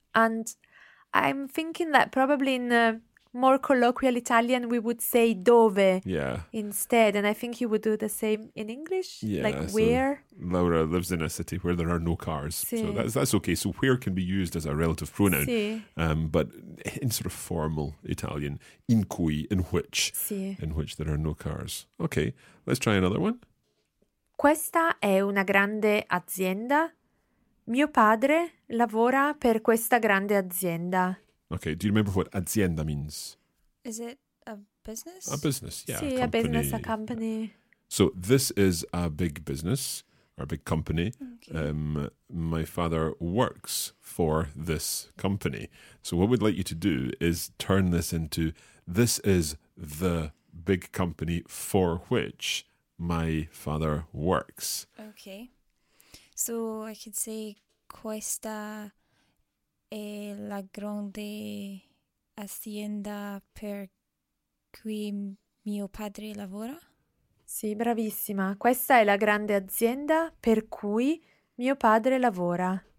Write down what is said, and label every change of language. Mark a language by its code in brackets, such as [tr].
[en] And I'm thinking that probably in more colloquial Italian we would say dove instead. And I think you would do the same in English, like where. So Laura lives in a city where there are no cars. [it] Sì. [en] So that's okay. So where can be used as a relative pronoun. [it] Sì. [en] But in sort of formal Italian, in cui, in which, in which there are no cars. Okay, let's try another one. [it] Questa è una grande azienda. Mio padre lavora per questa grande azienda. [en] Okay, do you remember what azienda means? Is it a business? A business, yeah. Sì, a business, a company. So this is a big business, or a big company. Okay. My father works for this company. So what we'd like you to do is turn this into, this is the big company for which my father works. Okay. [it] So I could say questa è la grande azienda per cui mio padre lavora. Sì, bravissima. Questa è la grande azienda per cui mio padre lavora.